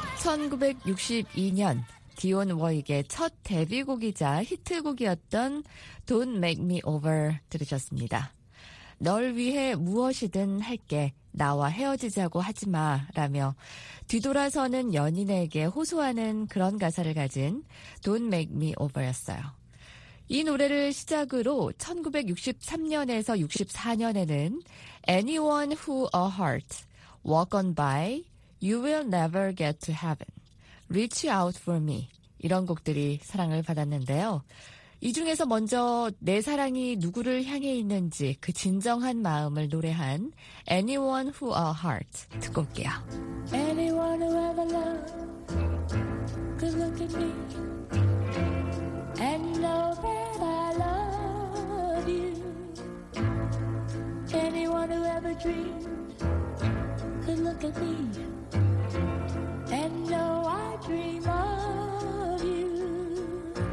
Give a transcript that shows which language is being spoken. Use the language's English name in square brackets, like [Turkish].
[Korean] 1962년 디온 워윅의 첫 데뷔곡이자 히트곡이었던 Don't Make Me Over 들으셨습니다. 널 위해 무엇이든 할게, 나와 헤어지자고 하지 마 라며 뒤돌아서는 연인에게 호소하는 그런 가사를 가진 Don't Make Me Over였어요. 이 노래를 시작으로 1963년에서 64년에는 Anyone Who A Heart, Walk On By, You Will Never Get To Heaven, Reach Out For Me 이런 곡들이 사랑을 받았는데요. 이 중에서 먼저 내 사랑이 누구를 향해 있는지 그 진정한 마음을 노래한 Anyone Who A Heart 듣고 올게요. [English] Anyone who ever loved could look at me and know that I love you. Anyone who ever dreamed could look at me and know I dream of you.